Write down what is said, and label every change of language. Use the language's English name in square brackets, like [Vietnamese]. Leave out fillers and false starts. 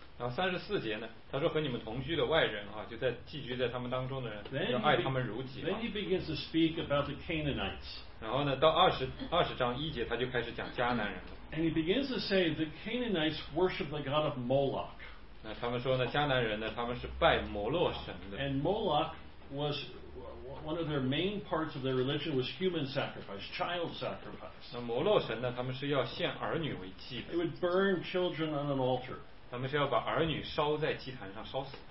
[Chinese] 然后三十四节呢，他说和你们同居的外人啊，就在寄居在他们当中的人，要爱他们如己。 [English] Then he begins to speak about the Canaanites. [Chinese] 然后呢，到二十章一节，他就开始讲迦南人了。 [English] And he begins to say the Canaanites worship the god of Moloch. [Chinese] 那他们说呢，迦南人呢，他们是拜摩洛神的。 [English] And Moloch was one of their main parts of their religion was human sacrifice, child sacrifice. [Chinese] 那摩洛神呢，他们是要献儿女为祭的。 [English] They would burn children on an altar. [Chinese] 他们是要把儿女烧在祭坛上烧死。